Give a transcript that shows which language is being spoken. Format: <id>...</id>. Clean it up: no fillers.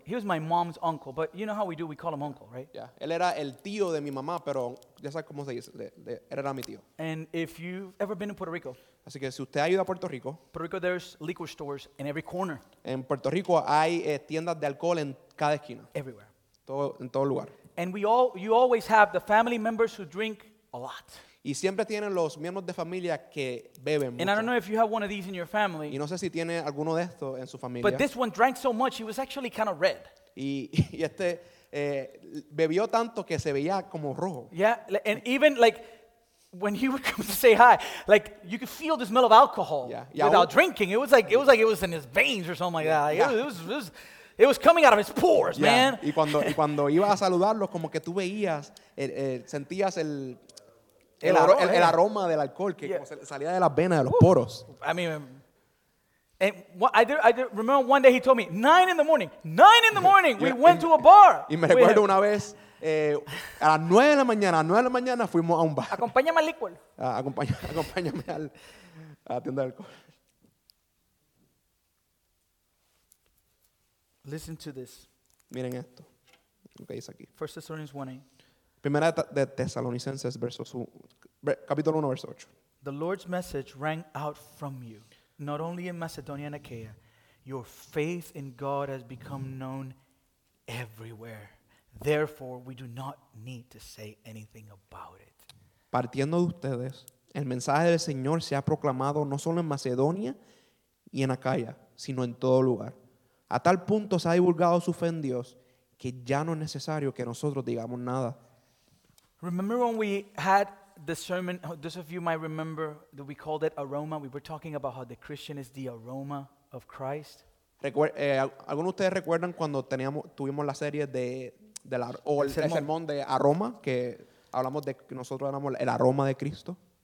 <en>He was my mom's uncle, but you know how we do, we call him uncle, right? Yeah.</en> <es>Él era el tío de mi mamá, pero ya sabes cómo se dice, era mi tío.</es> <en>And if you've ever been to Puerto Rico.</en> <es>Así que si usted ha ido a Puerto Rico.</es> <en>Puerto Rico, there's liquor stores in every corner.</en> <es>En Puerto Rico hay tiendas de alcohol en cada esquina.</es> <en>Everywhere.</en> <es>En todo lugar.</es> <en>And you always have the family members who drink a lot.</en> <es>Y siempre tienen los miembros de familia que beben mucho.</es> <en>And I don't know if you have one of these in your family.</en> <es>Y no sé si tiene alguno de estos en su familia.</es> <en>But this one drank so much, he was actually kind of red.</en> <es>Y este bebió tanto que se veía como rojo.</es> <en>Yeah, and even like when he would come to say hi, like you could feel the smell of alcohol without drinking. It was like it was in his veins or something like that. It was coming out of his pores, man.</en> <es>Y cuando iba a saludarlos, como que tú veías, sentías el aroma del alcohol que salía de las venas de los poros.</es> <en>I mean, and I did remember one day he told me, 9 in the morning, we went to a bar.</en> <es>Y me recuerdo una vez, a las 9 de la mañana, fuimos a un bar. Acompáñame al licor. Acompáñame a la tienda de alcohol.</es> <en>Listen to this.</en> <es>Miren esto, lo que dice aquí.</es> <en>1 Thessalonians 1:8.</en> <es>Primera de Tesalonicenses, capítulo 1, verso 8.</es> <en>The Lord's message rang out from you, not only in Macedonia and Achaia. Your faith in God has become known everywhere. Therefore, we do not need to say anything about it.</en> <es>Partiendo de ustedes, el mensaje del Señor se ha proclamado no solo en Macedonia y en Acaya, sino en todo lugar. A tal punto se ha divulgado su fe en Dios que ya no es necesario que nosotros digamos nada.</es> <en>Remember when we had the sermon, those of you might remember that we called it aroma. We were talking about how the Christian is the aroma of Christ.</en> <es>¿Alguno de ustedes recuerdan cuando tuvimos la serie el sermón de aroma, que hablamos de que nosotros éramos el aroma de Cristo?</es>